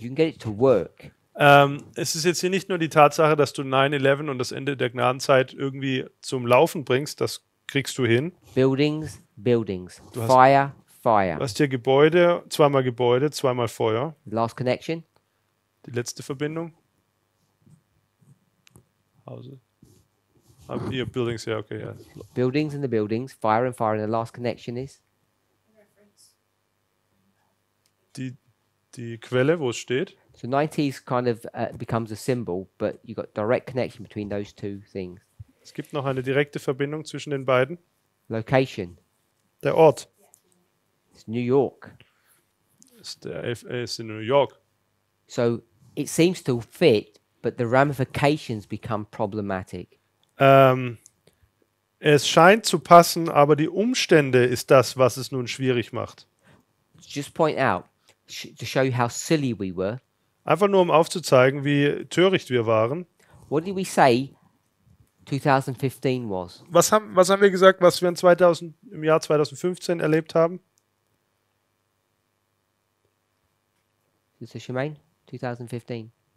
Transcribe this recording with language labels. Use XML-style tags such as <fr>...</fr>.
<en>You can get it to work.</en> <de>Es ist jetzt hier nicht nur die Tatsache, dass du 9/11 und das Ende der Gnadenzeit irgendwie zum Laufen bringst, das kriegst du hin.</de> <en>Buildings. Fire.</en> <de>Du hast hier Gebäude, zweimal Feuer.</de> <en>Last connection.</en> <de>Die letzte Verbindung. Hause. Hier, Buildings, ja, okay, ja.</de> <en>Buildings and the buildings, fire and the last connection is?</en> <de>Die Quelle, wo es steht.</de> <en>So 90s kind of becomes a symbol, but you got direct connection between those two things.</en> <de>Es gibt noch eine direkte Verbindung zwischen den beiden.</de> <en>Location.</en> <de>Der Ort.</de> <en>It's New York.</en> <de>Ist in New York.</de> <en>So it seems to fit, but the ramifications become problematic.</en> <de>Es scheint zu passen, aber die Umstände ist das, was es nun schwierig macht.</de> <en>Just point out to show you how silly we were.</en> <de>Einfach nur, um aufzuzeigen, wie töricht wir waren.</de> <en>What did we say 2015 was?</en> <de>Was haben wir gesagt, was wir im Jahr 2015 erlebt haben?</de> <en>Is this Shemaine? 2015.</en>